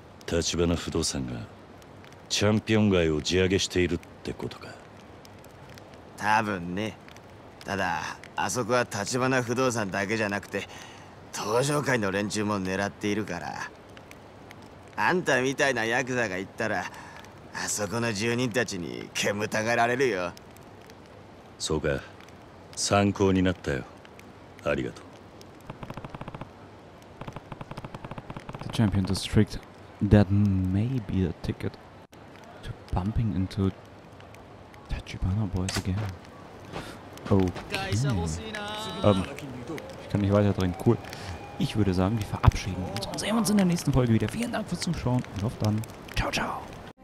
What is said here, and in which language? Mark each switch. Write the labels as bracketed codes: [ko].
[ja] 立花不動産がチャンピオン街を地上げしているってことか。多分ね。ただあそこは立花不動産だけじゃなくて東上界の連中も狙っているから、あんたみたいなヤクザが行ったらあそこの住人たちに煙たがられるよ。そうか、参考になったよ。ありがとう。 [en] The Champion District. That may be the ticket to bumping into Tachibana Boys again. [de] Okay. Ich kann nicht weiter trinken. Cool. Ich würde sagen, wir verabschieden uns und sehen uns in der nächsten Folge wieder. Vielen Dank fürs Zuschauen und auf dann. Ciao, ciao.